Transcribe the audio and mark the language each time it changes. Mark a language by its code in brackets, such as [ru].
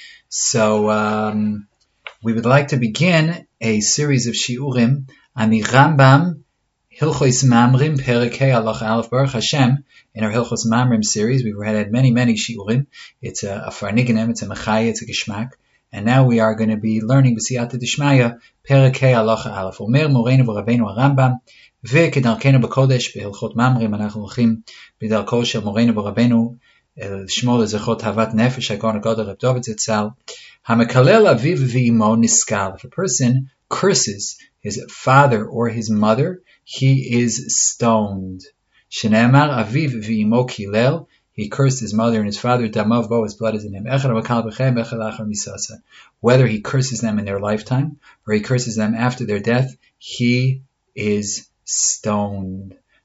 [en] So we would like to begin a series of Shiurim on the Rambam Hilchos Mamrim Perek Hei Alach Aleph Baruch Hashem. In our Hilchos Mamrim series, we've had many, many Shiurim. It's a Farniganim, it's a Mechai, it's a Geshmak. And now we are going to be learning B'Siyata D'Shmaya Perek Hei Alach Aleph. [he] Omer Moreinu V'Rabbeinu Rambam. וכדרכנו בקודש, בהלכות ממרים, אנחנו הולכים בדרכו של מורנו ורבנו, לשמור לזכרו תאוות נפש, הגאון הגדול רב דוד זצ"ל, המקלל אביו ואמו נסקל. [en] If a person curses his father or his mother, he is stoned. שנאמר אביו ואמו קילל, he cursed his mother and his father, דמיו בו, his blood is in him. [he] אחד המקל בכם, אחד לאחר מסעסה. [en] Whether he curses them in their lifetime, or he curses them after their death, he is stoned.